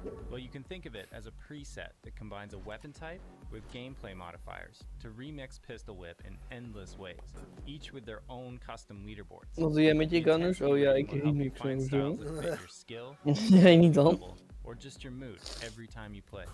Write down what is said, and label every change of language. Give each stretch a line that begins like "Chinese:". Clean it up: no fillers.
English: Well, you can think of it as a preset that combines a weapon type with gameplay modifiers to remix Pistol Whip in endless ways, each with their own custom leaderboards.
Dutch: Wat doe jij met je gunners? Oh ja, ik remix mijn gun. Jij niet dan?
English: Or just your mood every time you play.